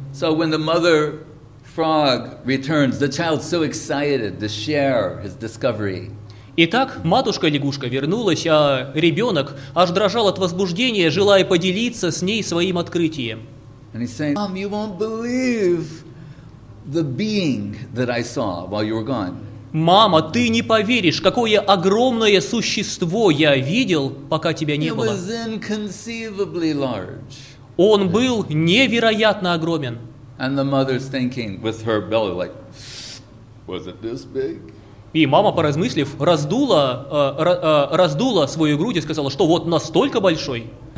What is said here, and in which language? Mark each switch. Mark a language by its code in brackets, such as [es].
[en] So when the mother frog returns, the child so excited to share his discovery. [ru] Итак, матушка-лягушка вернулась, а ребенок аж дрожал от возбуждения, желая поделиться с ней своим открытием. [en] And he's saying, Mom, you won't believe the being that I saw while you were gone. [ru] Мама, ты не поверишь, какое огромное существо я видел, пока тебя не было. [en] It was inconceivably large. [ru] Он был невероятно огромен. [en] And the mother's thinking with her belly, like, was it this big? [ru] И мама, поразмыслив, раздула свою грудь и сказала, что вот настолько большой.